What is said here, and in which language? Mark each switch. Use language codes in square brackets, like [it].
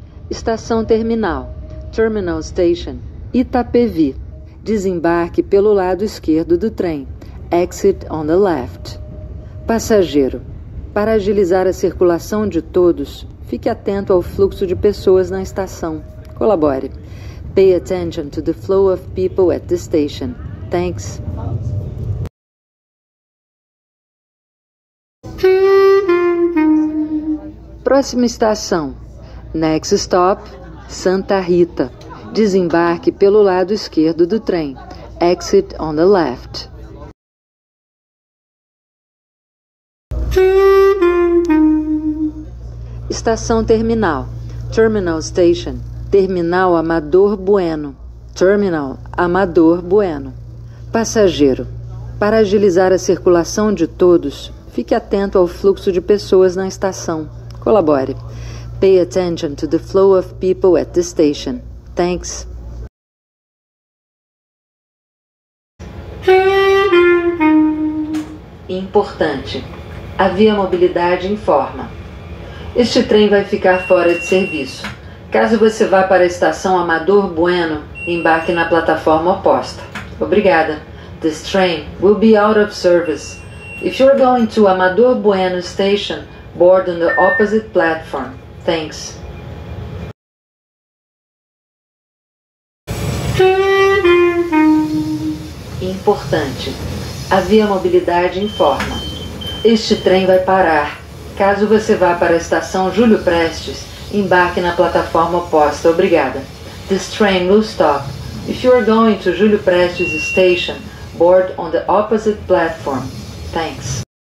[pt] Estação terminal. [en] Terminal Station, [pt] Itapevi. Desembarque pelo lado esquerdo do trem. [en] Exit on the left. [pt] Passageiro, para agilizar a circulação de todos, fique atento ao fluxo de pessoas na estação. Colabore. [en] Pay attention to the flow of people at the station. Thanks. [pt] Próxima estação. [en] Next stop, [pt] Santa Rita. Desembarque pelo lado esquerdo do trem. [en] Exit on the left. [pt] Estação terminal. [en] Terminal Station. [pt] Terminal Amador Bueno. Terminal Amador Bueno. Passageiro, para agilizar a circulação de todos, fique atento ao fluxo de pessoas na estação. Colabore. [en] Pay attention to the flow of people at the station. Thanks. [pt] Importante. A Via Mobilidade informa. Este trem vai ficar fora de serviço. Caso você vá para a estação Amador Bueno, embarque na plataforma oposta. Obrigada. [en] This train will be out of service. If you're going to Amador Bueno Station, board on the opposite platform. Thanks. [pt] Importante. A Via Mobilidade informa. Este trem vai parar. Caso você vá para a estação Júlio Prestes, embarque na plataforma oposta. Obrigada. [en] This train will stop. If you are going to Júlio Prestes Station, board on the opposite platform. Thanks.